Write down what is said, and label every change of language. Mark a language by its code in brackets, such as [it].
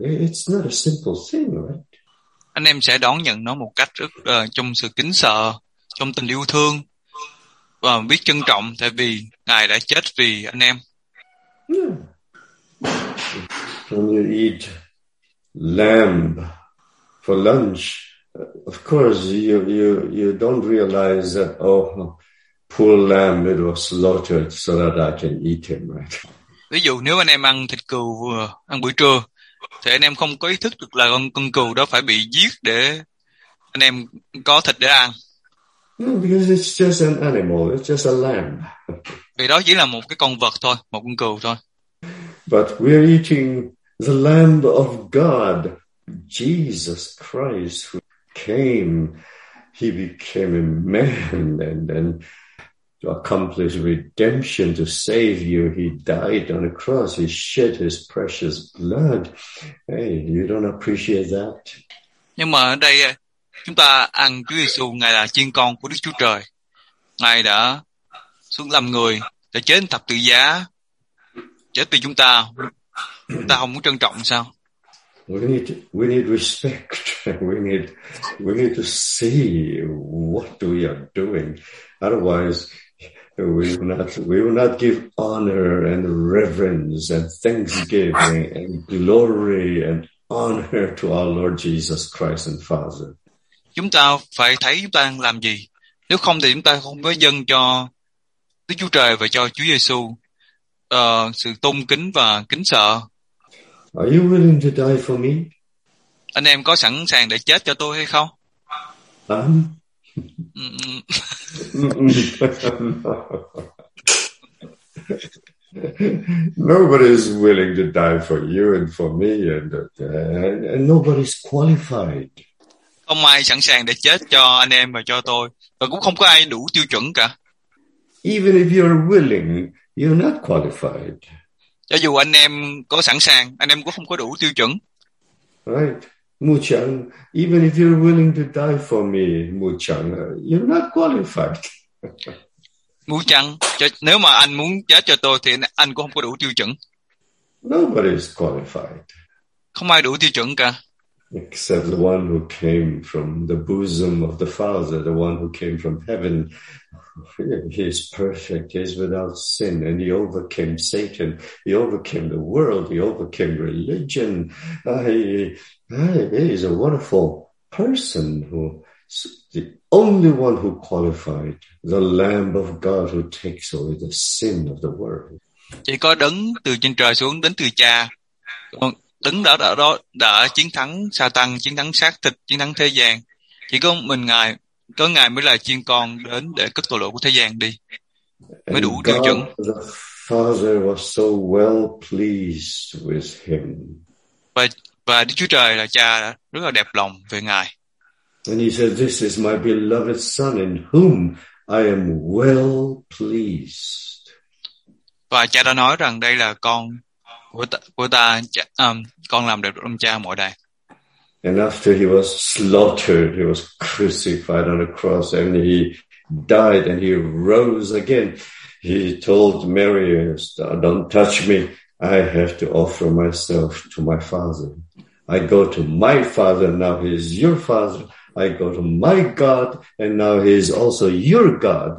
[en] It's not a simple thing, right? [vi] Anh em sẽ đón nhận nó một cách rất trong sự kính sợ, trong tình yêu thương và biết trân trọng, tại vì Ngài đã chết vì anh em. [en] Yeah. When you eat lamb for lunch, of course you don't realize that, oh, poor lamb, it was slaughtered so that I can eat him, right? [vi] Ví dụ nếu anh em ăn thịt cừu vừa ăn buổi trưa, thì anh em không có ý thức được là con cừu đó phải bị giết để anh em có thịt để ăn. [en] No, because it's just an animal, it's just a lamb. [vi] Vì đó chỉ là một cái con vật thôi, một con cừu thôi. [en] But we're eating the Lamb of God, Jesus Christ, who came, He became a man, and to accomplish redemption, to save you, He died on a cross. He shed His precious blood. Hey, you don't appreciate that. [vi] Nhưng mà ở đây chúng ta ăn Chúa Giêsu, Ngài là chiên con của Đức Chúa Trời. Ngài đã xuống làm người, đã chết thập tự giá, chết vì chúng ta. Chúng ta không muốn trân trọng sao? [en] We need respect. We need to see what we are doing. Otherwise, we will not give honor and reverence and thanksgiving and glory and honor to our Lord Jesus Christ and Father. [vi] Chúng ta phải thấy chúng ta đang làm gì. Nếu không thì chúng ta không có dâng cho Đức Chúa Trời và cho Chúa Giêsu sự tôn kính và kính sợ. [en] Are you willing to die for me? [vi] Anh em có sẵn sàng để chết cho tôi hay không? [en] Nobody is willing to die for you and for me, and nobody is qualified. [vi] Không ai sẵn sàng để chết cho anh em và cho tôi, và cũng không có ai đủ tiêu chuẩn cả. [en] Even if you're willing, you're not qualified. [vi] Cho dù anh em có sẵn sàng, anh em cũng không có đủ tiêu chuẩn. [en] Right. Mu Chang, even if you're willing to die for me, Mu Chang, you're not qualified. [vi] Mu Chang, nếu mà anh muốn chết cho tôi thì anh cũng không có đủ tiêu chuẩn. [en] Nobody is qualified. [vi] Không ai đủ tiêu chuẩn cả. [en] Except the one who came from the bosom of the Father, the one who came from heaven. He is perfect, he is without sin, and he overcame Satan, he overcame the world, he overcame religion. He is a wonderful person who The only one who qualified, the Lamb of God who takes away the sin of the world. [vi] Chỉ có đấng từ trên trời xuống, đến từ cha. Đấng đã chiến thắng Satan, chiến thắng xác thịt, chiến thắng thế gian. Chỉ có mình Ngài, có Ngài mới là chiên con đến để cất tội lỗi của thế gian đi. Mới [en] And [vi] đủ tiêu [en] God [vi] chuẩn. [en] the Father was so well pleased with him. [vi] Và Đức Chúa Trời là cha rất là đẹp lòng về Ngài. [en] And he said, this is my beloved son in whom I am well pleased. [vi] Và cha đã nói rằng đây là con của ta, con làm đẹp lòng cha mọi đời. [en] And after he was slaughtered, he was crucified on a cross, and he died and he rose again. He told Mary, don't touch me. I have to offer myself to my father. I go to my father, now he is your father. I go to my God, and now he is also your God.